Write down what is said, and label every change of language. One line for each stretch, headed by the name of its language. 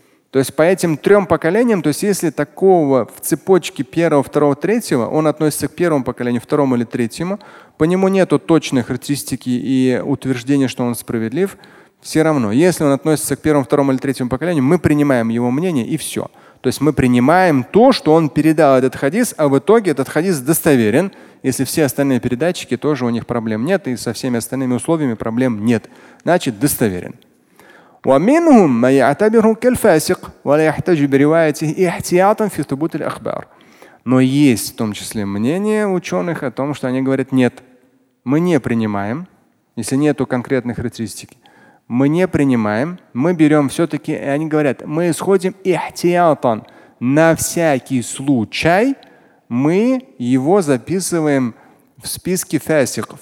Russian: То есть по этим трем поколениям, то есть если такого в цепочке первого, второго, третьего, он относится к первому поколению, второму или третьему, по нему нету точной характеристики и утверждения, что он справедлив, все равно. Если он относится к первому, второму или третьему поколению, мы принимаем его мнение и все. То есть мы принимаем то, что он передал этот хадис, а в итоге этот хадис достоверен, если все остальные передатчики тоже у них проблем нет, и со всеми остальными условиями проблем нет. Значит, достоверен.
Arabic: ومنهم ما يعتبره كالفاسق ولا يحتج بروايته احتياطا في ثبوت الاخبار.
Russian: Но есть в том числе мнение ученых о том, что они говорят, нет, мы не принимаем, если нету конкретной характеристики, мы не принимаем, мы берем все-таки, и они говорят, мы исходим ихтиятан, на всякий случай мы его записываем в списке фасик.